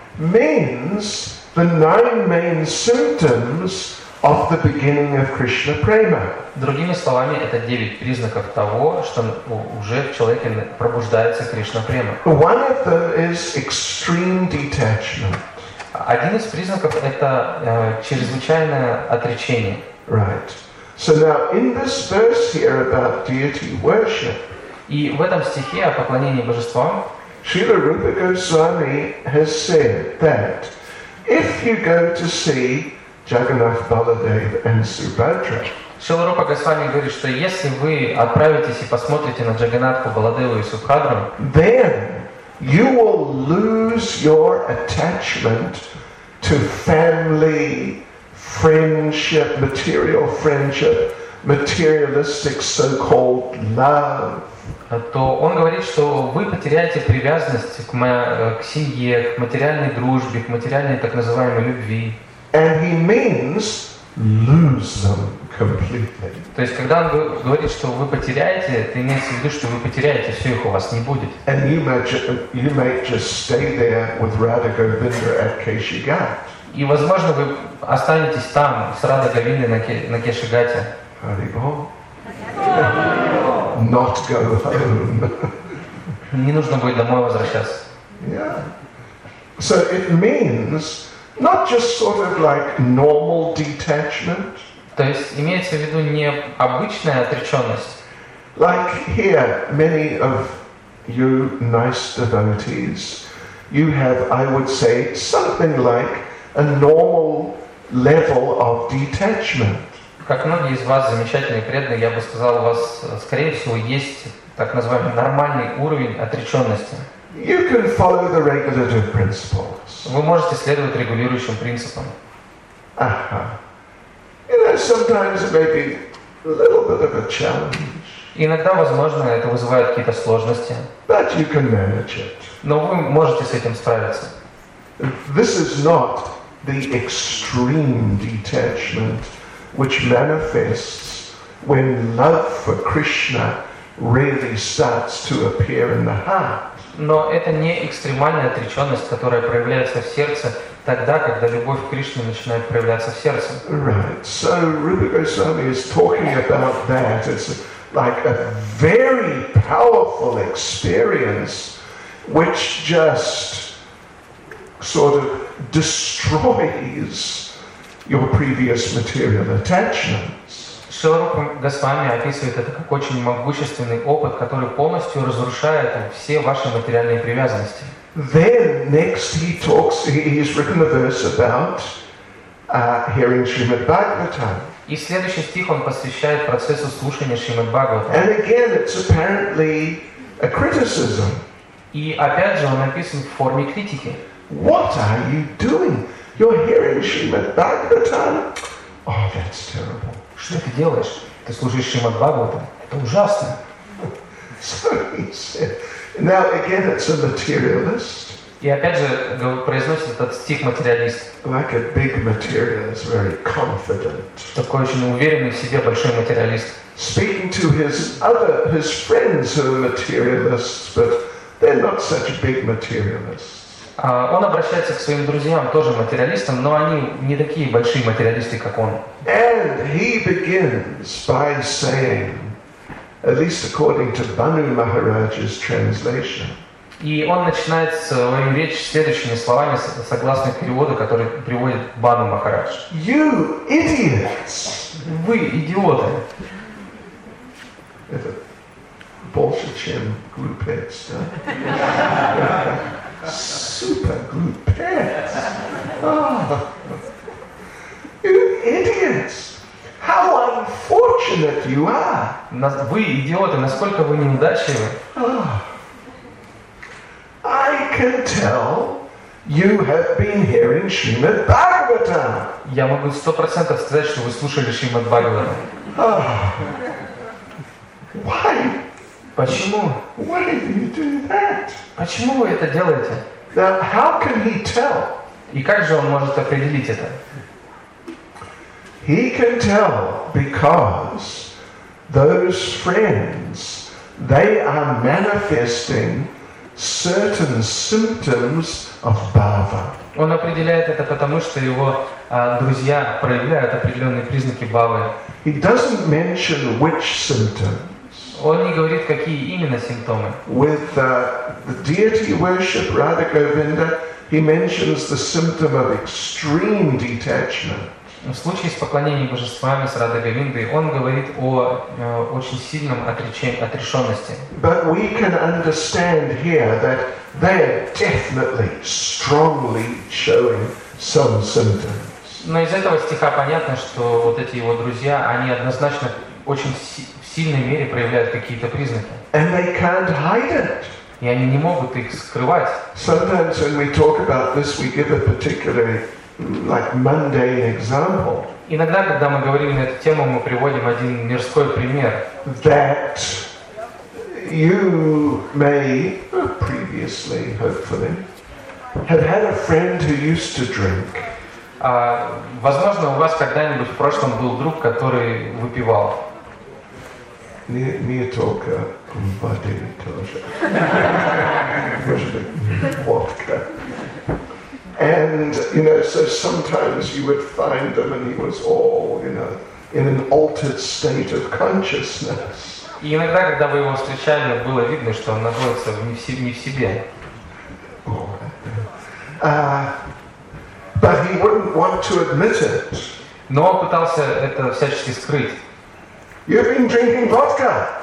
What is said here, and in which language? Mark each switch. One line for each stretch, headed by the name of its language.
English: Means the nine main symptoms of the beginning of Krishna prema.
Russian: Другими словами, это 9 признаков того, что уже в человеке пробуждается Кришна према.
English: One of them is extreme detachment.
Russian: Один из признаков – это чрезвычайное отречение.
English: Right. So now, in this verse here about deity worship,
Russian: и в этом стихе о поклонении божествам,
English: Srila Rupa Goswami has said that if you go to see Jagannath Baladev and Subhadra,
Russian: Шрила Рупа Госвами говорит, что если вы отправитесь и посмотрите на Джаганатху, Баладеву и Субхадру,
English: then you will lose your attachment to family, friendship, material friendship, materialistic so-called love.
Russian: То он говорит, что вы потеряете привязанность к семье, к материальной дружбе, к материальной так называемой любви.
English: And he means lose them completely.
Russian: То есть, когда он говорит, что вы потеряете, это имеется в виду, что вы потеряете, все их у вас не будет.
English: And you might just stay there with Radha Govinda at Keshigat.
Russian: И, возможно, вы останетесь там с Радхой Говиндой на Кешигате.
English: Not go home.
Russian: Не нужно будет домой возвращаться.
English: Yeah. So it means not just sort of like normal detachment.
Russian: То есть имеется в виду не обычная отреченность.
English: Like here, many of you nice devotees, you have, I would say, something like a normal level of detachment.
Russian: Как многие из вас замечательные преданные, я бы сказал, у вас, скорее всего, есть так называемый нормальный уровень отреченности.
English: You can follow the regulative principles.
Russian: Вы можете следовать регулирующим принципам.
English: Uh-huh. You know, sometimes it may be a little bit of a challenge.
Russian: Иногда, возможно, это вызывает какие-то сложности.
English: But you can manage it.
Russian: Но вы можете с этим справиться.
English: This is not the extreme detachment which manifests when love for Krishna really starts to appear in the heart.
Russian: Но это не экстремальная отреченность, которая проявляется в сердце тогда, когда любовь к Кришне начинает проявляться в сердце.
English: Right. So Rupa Goswami is talking about that. It's like a very powerful experience which just sort of destroys your previous material attachments.
Russian: Шрила Рупа Госвами описывает это как очень могущественный опыт, который полностью разрушает все ваши материальные привязанности.
English: Then next he talks, he's written a verse about hearing Srimad Bhagavatam.
Russian: И следующий стих он посвящает процессу слушания Шримад Бхагаватам.
English: And again, it's apparently a criticism.
Russian: И опять же он написан в форме критики.
English: What are you doing? You're hearing Srimad Bhagavatam? Oh, that's terrible.
Russian: Что ты делаешь? Ты служишь Шримад Бхагаватам? Это ужасно.
English: So he said. Now again, it's a materialist.
Russian: И опять же произносит этот стих материалист.
English: Like a big materialist, very confident.
Russian: Такой очень уверенный в себе большой материалист.
English: Speaking to his friends who are materialists, but they're not such big materialists.
Russian: Он обращается к своим друзьям, тоже материалистам, но они не такие большие материалисты, как он.
English: And he begins by saying, at least according to Banu Maharaj's translation.
Russian: И он начинает свою речь следующими словами, согласно переводу, который приводит Бану Махарадж.
English: You idiots!
Russian: Вы идиоты! Это больше, чем глупец, да? Super glupets! Oh.
English: You idiots! How unfortunate you are!
Russian: Вы идиоты, насколько вы неудачливы!
English: I can tell you have been hearing Srimad Bhagavatam!
Russian: Я могу 100% сказать, что вы слушали Srimad Bhagavatam.
English: Why?
Russian: Почему?
English: Why do you do that?
Russian: Почему вы это делаете?
English: Now, how can he tell?
Russian: И как же он может определить это?
English: He can tell because those friends, they are manifesting certain symptoms of bhava.
Russian: Он определяет это потому, что его друзья проявляют определенные признаки бхавы.
English: He doesn't mention which symptom.
Russian: Он не говорит, какие именно симптомы.
English: With the deity worship, Radha Govinda, he mentions the symptom of extreme detachment.
Russian: В случае с поклонением божествами, с Радхой Говиндой, он говорит о очень сильном отрешенности.
English: But we can understand here that they are definitely strongly showing some symptoms.
Russian: Но из этого стиха понятно, что вот эти его друзья, они однозначно очень в сильной мере проявляют какие-то признаки.
English: And they can't hide it.
Russian: И они не могут их скрывать.
English: Sometimes when we talk about this, we give a particular, like mundane example.
Russian: Иногда, когда мы говорим на эту тему, мы приводим один мирской пример.
English: That you may previously, hopefully, have had a friend who used to drink.
Russian: Возможно, у вас когда-нибудь в прошлом был друг, который выпивал. Не только воды тоже. Может быть, водка.
English: And, you know, so sometimes you would find them and he was all, you know, in an altered state of consciousness.
Russian: И иногда, когда вы его встречали, было видно, что он находится не в себе.
English: But he wouldn't want to admit it.
Russian: Но он пытался это всячески скрыть.
English: You've been drinking vodka.